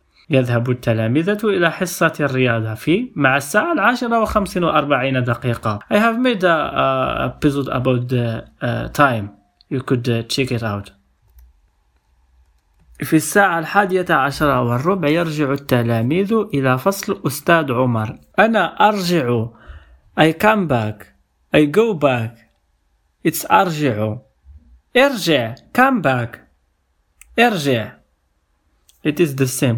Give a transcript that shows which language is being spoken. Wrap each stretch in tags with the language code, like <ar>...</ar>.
<ar>يذهب التلاميذ إلى حصة الرياضة في مع الساعة 10:45.</ar> <en>I have made a episode about the time. You could check it out.</en> <ar>في الساعة 11:15 يرجع التلاميذ إلى فصل أستاذ عمر. أنا أرجع.</ar> <en>I come back. I go back. It's</en> <ar>أرجع. ارجع.</ar> <en>Come back.</en> <ar>ارجع.</ar> <en>It is the same.</en>